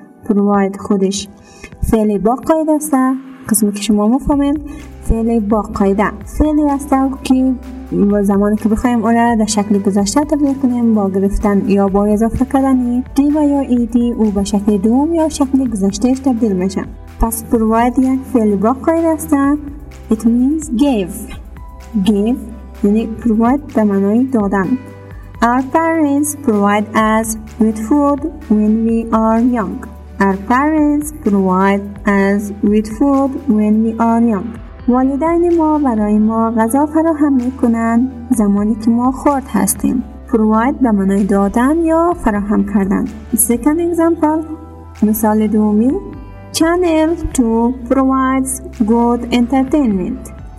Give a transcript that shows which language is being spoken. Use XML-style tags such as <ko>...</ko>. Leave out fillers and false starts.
<fa>Provide خودش فعل باقاعده است. قسمی که شما مفهمین فعل با قاعده، فعلی است که به زمانی که بخوایم اون را در شکل گذشته تبدیل کنیم با گرفتن یا با اضافه کردن دی و یا ای دی او به شکل دوم یا شکل گذشتهش تبدیل میشه. پس پروواید یک فعل با قاعده است.</fa> <en>It means give.</en> <fa>Give یعنی پروواید به معنای دادن.</fa> <en>Our parents provide us with food when we are young. Our parents provide us with food when we are young.</en> <fa>والدین ما برای ما غذا فراهم میکنند زمانی که ما خرد هستیم. Provide به معنای دادن یا فراهم کردن.</fa> <en>Second example,</en> <fa>مثال دومی,</fa> <en>Channel 2 provides good entertainment.</en>